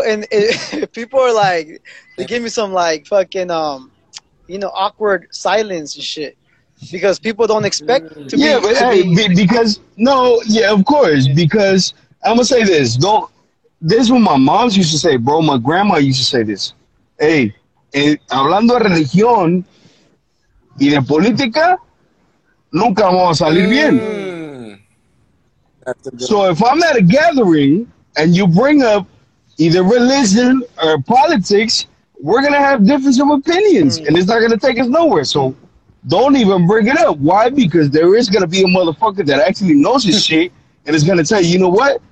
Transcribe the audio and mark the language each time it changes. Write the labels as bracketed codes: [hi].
[en] And people are like, they give me some like fucking, you know, awkward silence and shit. Because people don't expect to be. Yeah, but hey, of course. Because I'm going to say this. This is what my mom used to say, bro. My grandma used to say this. [es] Hey, hablando de religión y de política, nunca vamos a salir bien. [en] So if I'm at a gathering and you bring up either religion or politics, we're going to have difference of opinions. And it's not going to take us nowhere. So don't even bring it up. Why? Because there is going to be a motherfucker that actually knows his shit and is going to tell you, you know what?